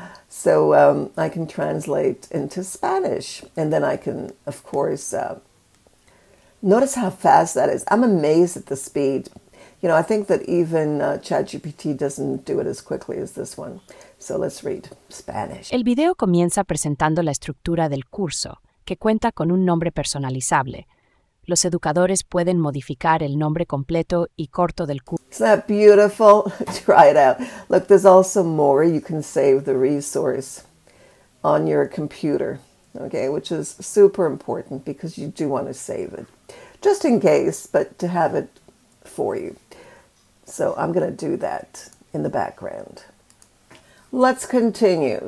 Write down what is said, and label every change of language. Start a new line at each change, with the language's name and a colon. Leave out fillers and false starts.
English: So I can translate into Spanish. And then I can, of course, notice how fast that is. I'm amazed at the speed. You know, I think that even ChatGPT doesn't do it as quickly as this one. So let's read Spanish.
Spanish: El video comienza presentando la estructura del curso, que cuenta con un nombre personalizable. Los educadores pueden modificar el nombre completo y corto del curso.
English: Isn't that beautiful? Try it out. Look, there's also more. You can save the resource on your computer. Okay, which is super important, because you do want to save it just in case, but to have it for you. So I'm going to do that in the background. Let's continue.